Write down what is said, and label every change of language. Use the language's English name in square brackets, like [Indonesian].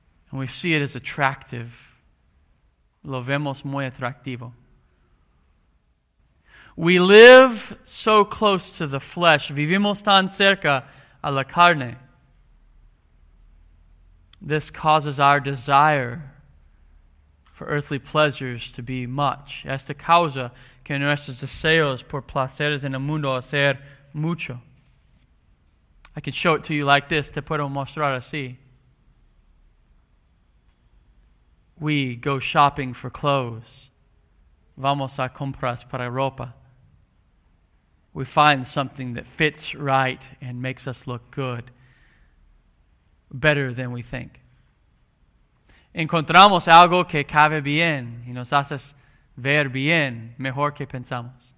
[English] And we see it as attractive. [Spanish] Lo vemos muy atractivo. [English] We live so close to the flesh. [Spanish] Vivimos tan cerca a la carne. [English] This causes our desire for earthly pleasures to be much. [Spanish] Esta causa que nuestros deseos por placeres en el mundo ser mucho. [English] I can show it to you like this. [Spanish] Te puedo mostrar así. [English] We go shopping for clothes. [Spanish] Vamos a compras para ropa. [English] We find something that fits right and makes us look good. Better than we think. [Spanish] Encontramos algo que cabe bien y nos hace ver bien, mejor que pensamos.